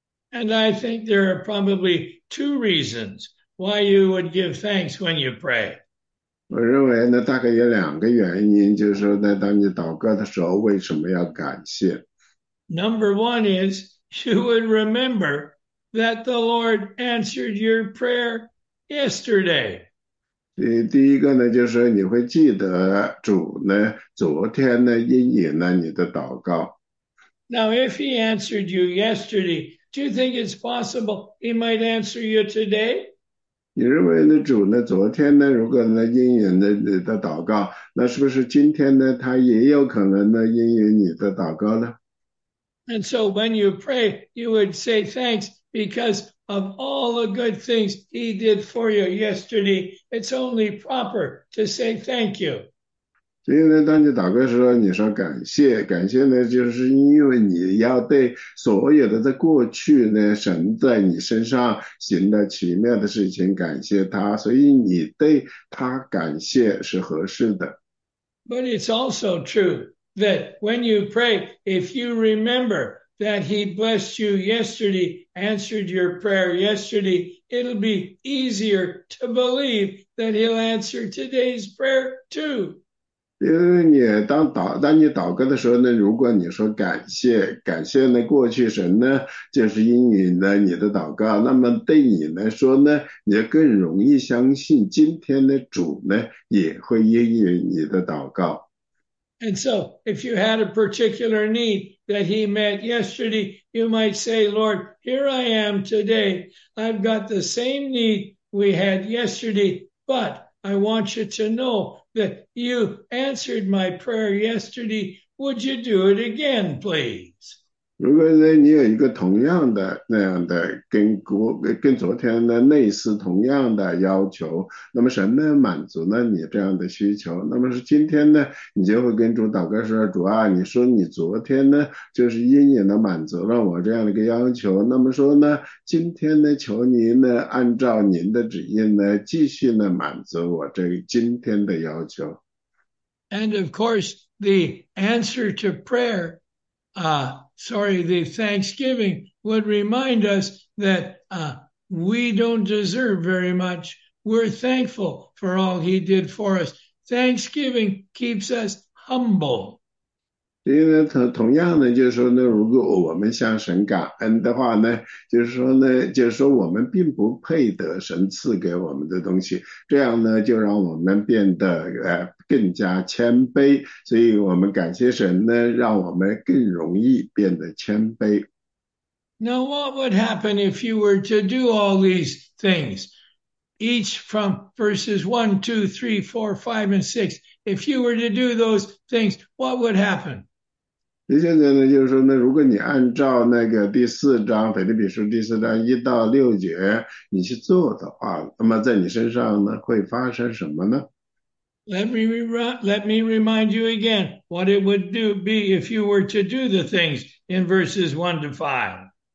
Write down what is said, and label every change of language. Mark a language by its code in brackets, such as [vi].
[en] And I think there are probably two reasons why you would give thanks when you pray. [zh] 我认为呢，大概有2个原因，就是说呢，当你祷告的时候，为什么要感谢？ [en] Number one is you would remember that the Lord answered your prayer yesterday. [zh] 第一个呢，就是你会记得主呢，昨天呢应允了你的祷告。 [en] Now, if he answered you yesterday, do you think it's possible he might answer you today? [zh] 你认为呢，主呢，昨天呢，如果呢应允了你的祷告，那是不是今天呢，他也有可能呢应允你的祷告呢？ [en] And so when you pray, you would say thanks because of all the good things he did for you yesterday. It's only proper to say thank you. [zh] 所以呢，当你祷告的时候，你说感谢，感谢呢，就是因为你要对所有的在过去呢，神在你身上行的奇妙的事情感谢他，所以你对他感谢是合适的。 [en] But it's also true. That when you pray, if you remember that he blessed you yesterday, answered your prayer yesterday, it'll be easier to believe that he'll answer today's prayer too. [zh] 因为你当你祷告的时候呢，如果你说感谢呢，过去神呢就是应允了你的祷告，那么对你来说呢，你就更容易相信今天的主呢也会应允你的祷告。 [en] And so, if you had a particular need that he met yesterday, you might say, Lord, here I am today. I've got the same need we had yesterday, but I want you to know that you answered my prayer yesterday. Would you do it again, please? [zh] 如果呢，你有一个同样的那样的跟昨天的类似同样的要求，那么神呢满足了你这样的需求，那么是今天呢，你就会跟主祷告说：“主啊，你说你昨天呢就是隐隐的满足了我这样的一个要求，那么说呢，今天呢求您呢按照您的旨意呢继续呢满足我这今天的要求。” [en] And of course, the answer to prayer, the thanksgiving would remind us that we don't deserve very much. We're thankful for all he did for us. Thanksgiving keeps us humble. [zh] 因为同样呢，就是说呢，如果我们向神感恩的话呢，就是说呢，就是说我们并不配得神赐给我们的东西，这样呢，就让我们变得更加谦卑。所以我们感谢神呢，让我们更容易变得谦卑。 [en] Now, what would happen if you were to do all these things, each from verses 1, 2, 3, 4, 5, and 6? If you were to do those things, what would happen? [zh] 那现在呢，就是说呢，如果你按照那个第四章腓立比书第四章1到6节你去做的话，那么在你身上呢，会发生什么呢？ [en] Let me remind you again what it would do be if you were to do the things in verses 1 to 5.